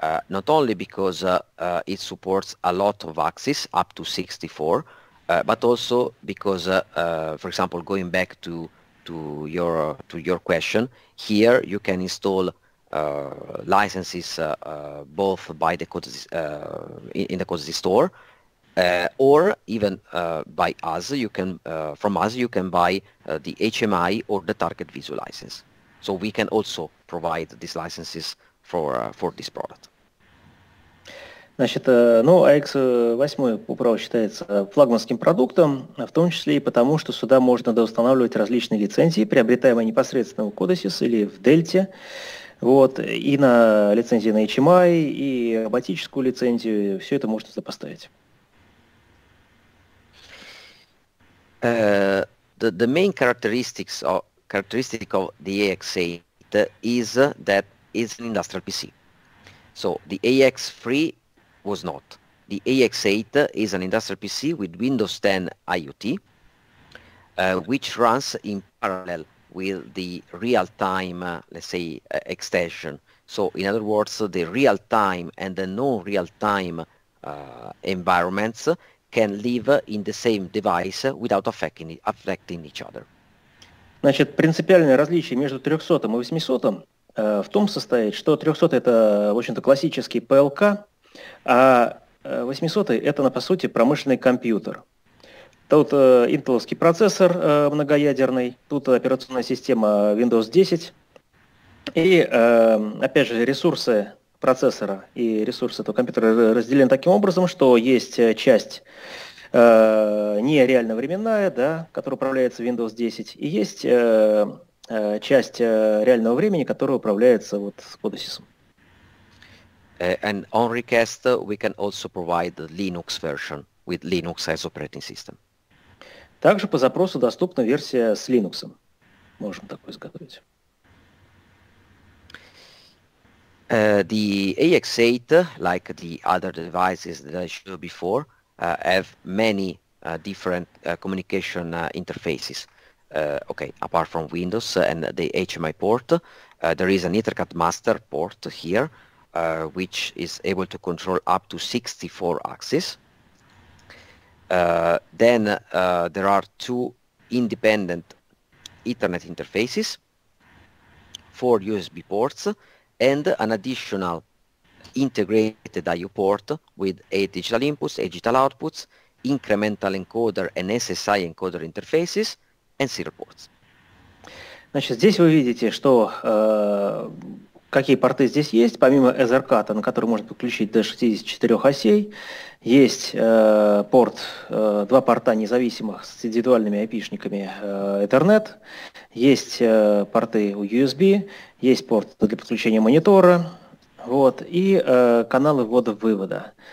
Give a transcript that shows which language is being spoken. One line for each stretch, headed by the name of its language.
English: Not only because it supports a lot of axes, up to 64, but also because, for example, going back to your question, here you can install licenses both by the CODESYS, in the CODESYS store, or even by us. You can from us you can buy the HMI or the Target Visual license. So we can also provide these licenses for this product.
Russian: Значит, ну, AX8 по праву считается флагманским продуктом, в том числе и потому, что сюда можно доустанавливать различные лицензии, приобретаемые непосредственно в CODESYS или в Delta, вот, и на лицензии на HMI, и роботическую лицензию, все это можно сюда поставить.
English: The main characteristic of the AX8 is that it's an industrial PC. So the AX3 was not. The AX8 is an industrial PC with Windows 10 IoT, which runs in parallel with the real-time, extension. So in other words, the real-time and the non-real-time environments can live in the same device without affecting each other.
Russian: Значит, принципиальное различие между 300 и 800 в том состоит, что 300 это, в общем-то, классический PLC, а 800 это, по сути, промышленный компьютер. Тут интеловский процессор многоядерный, тут операционная система Windows 10. И, опять же, ресурсы процессора и ресурсы этого компьютера разделены таким образом, что есть часть нереальновременная, да, которая управляется Windows 10, и есть часть реального времени, которая управляется вот CODESYS.
English: And on request, we can also provide the Linux version with Linux as operating system.
Russian: Также по запросу доступна версия с Linux. Можем такое изготовить.
English: The AX8, like the other devices that I showed before, have many different communication interfaces. Apart from Windows and the HMI port, there is an EtherCAT master port here, which is able to control up to 64 axes. Then there are two independent Ethernet interfaces, four USB ports, and an additional integrated I/O port with 8 digital inputs, 8 digital outputs, incremental encoder and SSI encoder interfaces, and serial ports.
Russian: Значит, здесь вы видите, что какие порты здесь есть, помимо EtherCAT, на который можно подключить до 64 осей, есть порт, два порта независимых с индивидуальными IP-шниками Ethernet, есть порты у USB, есть порт для подключения монитора, вот, и каналы ввода-вывода.